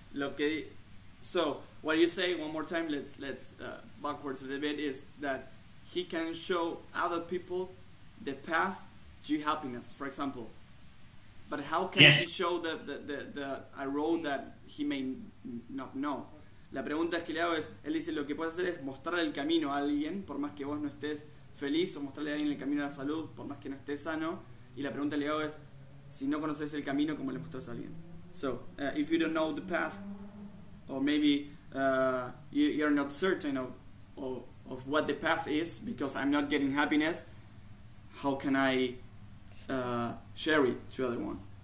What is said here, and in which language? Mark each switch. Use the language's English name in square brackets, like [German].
[English] Okay, so... What you say one more time? Let's backwards a little bit. Is that he can show other people the path to happiness, for example. But how can yes. he show the a road that he may not know? [Spanish] La pregunta que le hago es, él dice lo que puedes hacer es mostrar el camino a alguien, por más que vos no estés feliz, o mostrarle a alguien el camino a la salud, por más que no estés sano. Y la pregunta que le hago es, si no conoces el camino, ¿cómo le mostras a alguien? [English] So if you don't know the path, or maybe you're not certain of what the path is because I'm not getting happiness, how can I share it to other one?